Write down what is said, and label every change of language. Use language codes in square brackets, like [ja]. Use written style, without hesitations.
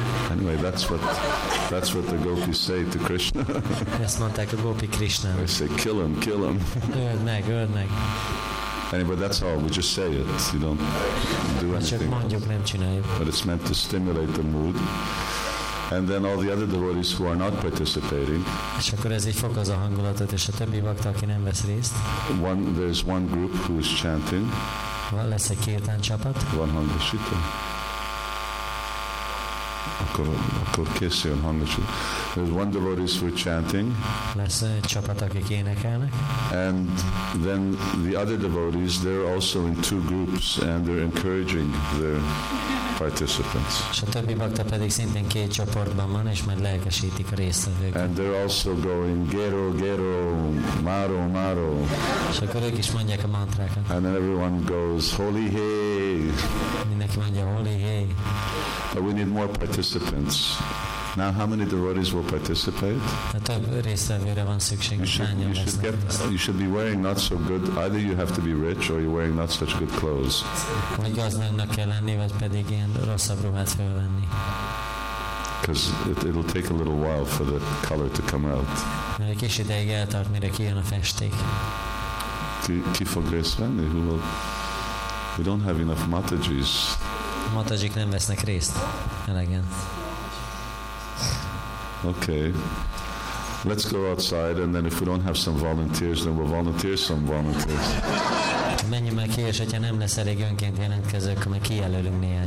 [en] Anyway, that's what the gopis say to Krishna. [hu] Ezt mondták a gopi Krishna. [en] They say, kill him, kill him. [hu] Öld meg, öld meg. [en] Anyway, that's all. We just say it. You don't do anything. [hu] Csak mondjuk, nem csináljuk. [en] But it's meant to stimulate the mood. And then all the other devotees who are not participating. [hu] És akkor ez így fokozza a hangulatot, és a többi bakta, aki nem vesz részt. [en] There's one group who is chanting. [hu] Van lesz egy kirtán csapat. Van hangosító. Akkor készüljön hangosító. [en] There's one devotees who are chanting. [hu] Lesz egy csapat, akik énekelnek. [en] And then the other devotees, they're also in two groups, and they're encouraging their participants. [hu] És a többi bakta pedig szintén két csoportban van, és majd lelkesítik a résztvevőket. [en] And they're also going gero gero maro maro. [hu] És akkor ők is mondják a mantrákat. [en] And then everyone goes holy hey. [hu] Mindenki mondja holy hey. [en] But we need more participants. Now how many devotees will participate? [hu] A több résztvevőre van szükség. [en] You should be wearing not so good. Either you have to be rich or you're wearing not such good clothes. [hu] Vagy gazdagnak kell lenni, vagy pedig ilyen rosszabb ruhát felvenni. [en] Because it'll take a little while for the color to come out. [hu] Egy kis ideig eltart, mire kijön a festék. Ki fog részt venni? [en] We don't have enough matajis. [hu] Matajik nem vesznek részt. Elegen. [en] Okay, let's go outside, and then if we don't have some volunteers, then we'll volunteer some volunteers. [hu] Menjünk meg ki, és hogyha nem lesz elég önként jelentkező, akkor meg kijelölünk néhány.